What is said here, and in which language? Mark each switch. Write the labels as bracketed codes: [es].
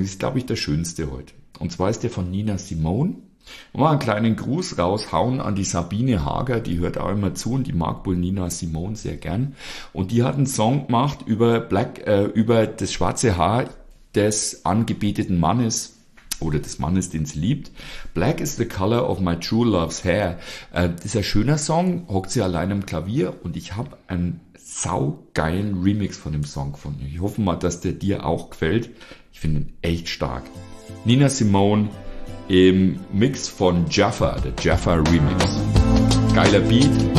[de] Das ist, glaube ich, der schönste heute. Und zwar ist der von Nina Simone. Und mal einen kleinen Gruß raushauen an die Sabine Hager. Die hört auch immer zu und die mag wohl Nina Simone sehr gern. Und die hat einen Song gemacht über das schwarze Haar des angebeteten Mannes oder des Mannes, den sie liebt. [en] Black is the color of my true love's hair. [de] Das ist ein schöner Song, hockt sie allein am Klavier und ich habe einen saugeilen Remix von dem Song gefunden. Ich hoffe mal, dass der dir auch gefällt. Ich finde ihn echt stark. Nina Simone im Mix von Jaffa, der Jaffa Remix. Geiler Beat.